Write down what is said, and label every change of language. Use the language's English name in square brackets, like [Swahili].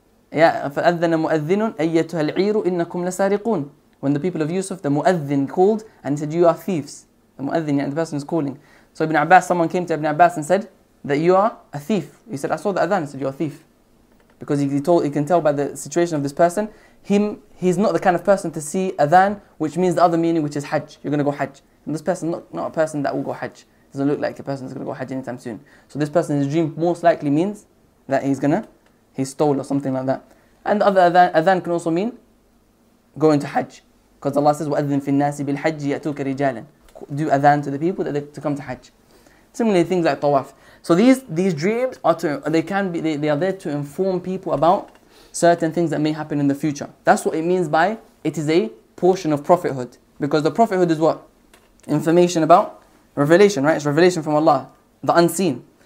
[Arabic] Yeah, فَأَذَّنَ مُؤَذِّنٌ أَيَّتُهَا الْعِيرُ إِنَّكُمْ لَسَارِقُونَ. [English] When the people of Yusuf, the Mu'adhin called and he said, you are thieves. The Mu'adhin, yeah, the person is calling. So Ibn Abbas, someone came to Ibn Abbas and said that you are a thief. He said, I saw the adhan. He said, you are a thief. Because he can tell by the situation of this person, he's not the kind of person to see adhan, which means the other meaning, which is hajj. You're going to go hajj. And this person is not a person that will go hajj. Doesn't look like a person that's going to go hajj anytime soon. So this person in his dream most likely means that he stole or something like that. And the other adhan can also mean going to hajj. Because Allah says, [Arabic] وَأَذِّنْ فِي النَّاسِ بِالْحَجِّ يَأْتُوكَ رِجَالًا. [English] Do adhan to the people that to come to hajj. Similarly, things like tawaf. So these dreams are there to inform people about certain things that may happen in the future. That's what it means by it is a portion of prophethood. Because the prophethood is what? Information about revelation, right? It's revelation from Allah, the unseen.